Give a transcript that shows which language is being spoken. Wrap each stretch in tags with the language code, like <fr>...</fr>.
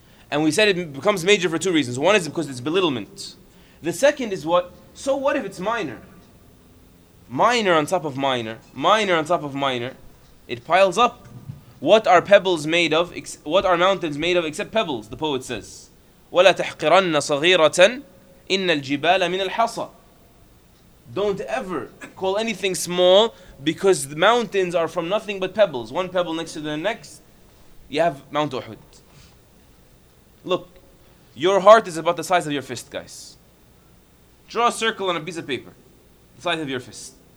<en>And we said it becomes major for two reasons. One is because it's belittlement. The second is what? So what if it's minor? Minor on top of minor. Minor on top of minor. It piles up. What are pebbles made of? What are mountains made of except pebbles? The poet says,</en> <ar>وَلَا تَحْقِرَنَّ صَغِيرَةً إِنَّ الْجِبَالَ مِنَ الْحَصَى.</ar> <en>Don't ever call anything small, because the mountains are from nothing but pebbles. One pebble next to the next, you have Mount Uhud. Look, Your heart is about the size of your fist, guys. Draw a circle on a piece of paper, the size of your fist.</en>